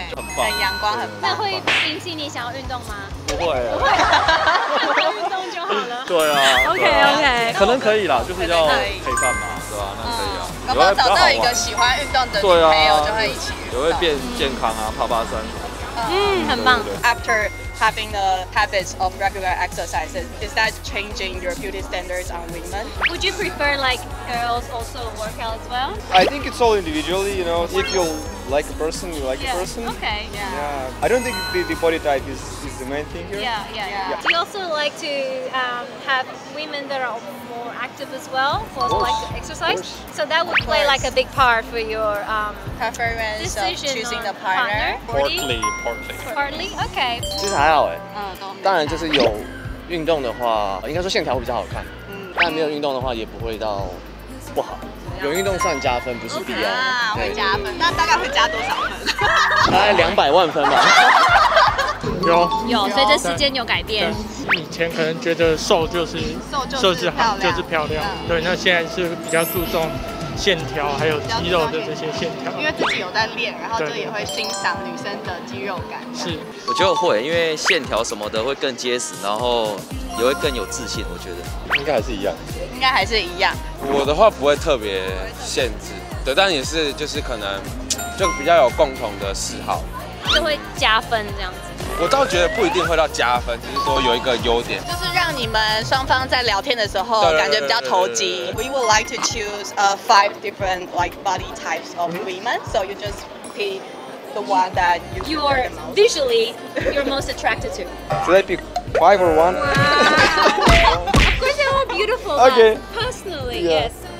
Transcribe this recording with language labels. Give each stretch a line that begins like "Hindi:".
Chinese: 很棒，很阳光，很棒。那会引起你想要运动吗？不会，不会，运动就好了。对啊，OK OK，可能可以啦，就是要陪伴嘛，对吧？那可以啊。搞不好找到一个喜欢运动的女朋友，就会一起，也会变健康啊，爬爬山。嗯，很棒。
English: After having the habits of regular exercises, is that changing your beauty standards on women? Would you prefer like girls also work out as well? I think it's all individually, you know. If you like a person, you like a person. Okay, yeah. I don't think the body type is the main thing here. Yeah. Do you also like to have women that are more active as well for like exercise? So that would play like a big part for your preference of choosing the partner. Partly. Okay.
Chinese: 其实还好哎，当然就是有运动的话，应该说线条会比较好看。嗯，但没有运动的话也不会到不好。有运动算加分，不是必要。会加分，那大概会加多少分？大概200万分吧。有，随着时间有改变。以前可能觉得瘦就是好，就是漂亮。对，那现在是比较注重线条，还有肌肉的这些线条。因为自己有在练，然后就也会欣赏女生的肌肉感。是，我觉得会，因为线条什么的会更结实，然后也会更有自信。我觉得应该还是一样。应该还是一样。我的话不会特别限制，对，但也是就是可能就比较有共同的嗜好，就会加分这样子。我倒觉得不一定会到加分，只是说有一个优点，就是让你们双方在聊天的时候感觉比较投机。
English: We would like to choose five different like body types of women, so you just pick the one that you are visually you're most attracted to. Should I pick five or one? Wow. Of course, they're all beautiful. Okay. Personally, yes.